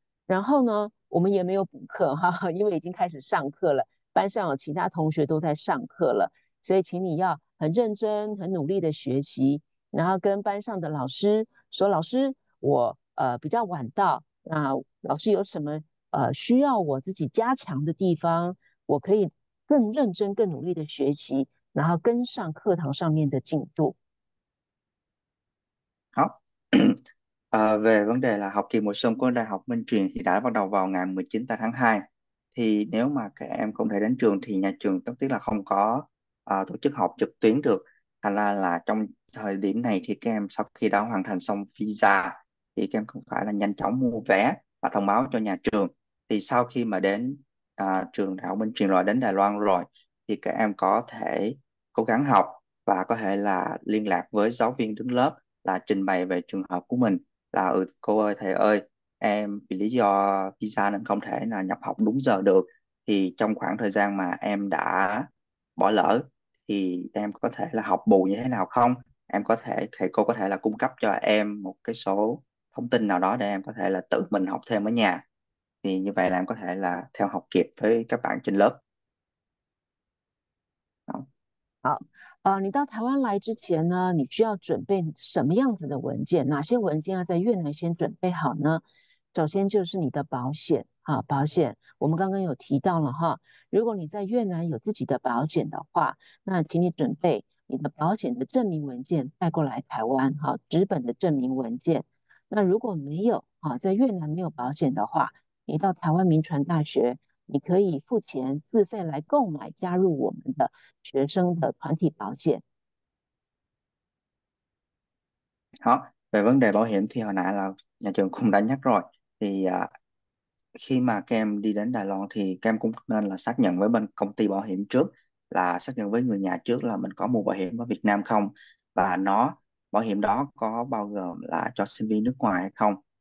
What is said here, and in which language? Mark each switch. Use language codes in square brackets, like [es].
[zh] 然后呢，我们也没有补课哈，因为已经开始上课了，班上有其他同学都在上课了，所以请你要很认真、很努力的学习，然后跟班上的老师说：“老师，我比较晚到，那老师有什么需要我自己加强的地方，我可以。” 更认真、更努力的学习，然后跟上课堂上面的进度。 [vi] Về vấn đề là học kỳ mùa xuân của Đại học Minh Truyền thì đã bắt đầu vào ngày 19 tháng 2. Thì nếu mà các em không thể đến trường thì nhà trường tất tiếc là không có tổ chức học trực tuyến được. Thành ra là trong thời điểm này thì các em sau khi đã hoàn thành xong visa thì các em cũng phải là nhanh chóng mua vé và thông báo cho nhà trường. Thì sau khi mà đến trường Đại học Minh Truyền rồi, đến Đài Loan rồi thì các em có thể cố gắng học và có thể là liên lạc với giáo viên đứng lớp là trình bày về trường hợp của mình là cô ơi thầy ơi em vì lý do visa nên không thể là nhập học đúng giờ được thì trong khoảng thời gian mà em đã bỏ lỡ thì em có thể là học bù như thế nào không em có thể thầy cô có thể là cung cấp cho em một cái số thông tin nào đó để em có thể là tự mình học thêm ở nhà thì như vậy là em có thể là theo học kịp với các bạn trên lớp. [zh] 好，你到台湾来之前呢，你需要准备什么样子的文件？哪些文件要在越南先准备好呢？首先就是你的保险，哈，保险，我们刚刚有提到了哈，如果你在越南有自己的保险的话，那请你准备你的保险的证明文件带过来台湾，哈，纸本的证明文件。那如果没有，哈，在越南没有保险的话，你到台湾民传大学。你可以付钱自费来购买加入我们的学生的团体保险。 [vi] Đó, về vấn đề bảo hiểm thì hồi nãy là nhà trường cũng đã nhắc rồi thì khi mà Kem đi đến Đài Loan thì Kem cũng nên là xác nhận với bên công ty bảo hiểm trước, là xác nhận với người nhà trước là mình có mua bảo hiểm ở Việt Nam không, và nó bảo hiểm đó có bao gồm là cho sinh viên nước ngoài hay không.